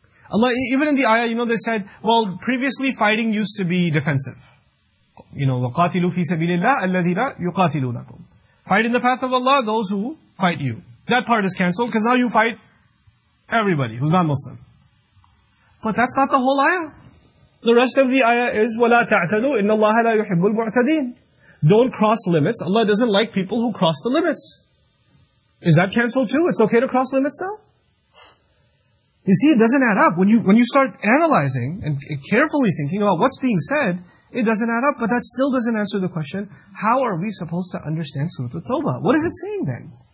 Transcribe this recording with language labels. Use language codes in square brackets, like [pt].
[en] Allah, even in the ayah, you know, they said, well, previously fighting used to be defensive. You know, [ar] وَقَاتِلُوا فِي سَبِيلِ اللَّهِ الَّذِينَ يُقَاتِلُونَكُمْ. [en] Fight in the path of Allah, those who fight you. That part is cancelled, because now you fight Everybody who's not Muslim. But that's not the whole ayah. The rest of the ayah is [ar] وَلَا تَعْتَدُوا إِنَّ اللَّهَ لَا يُحِبُّ الْمُعْتَدِينَ. [en] Don't cross limits. Allah doesn't like people who cross the limits. Is that canceled too? It's okay to cross limits now? You see, it doesn't add up. When you start analyzing and carefully thinking about what's being said, it doesn't add up, but that still doesn't answer the question, how are we supposed to understand Surah At-Tawbah? What is it saying then?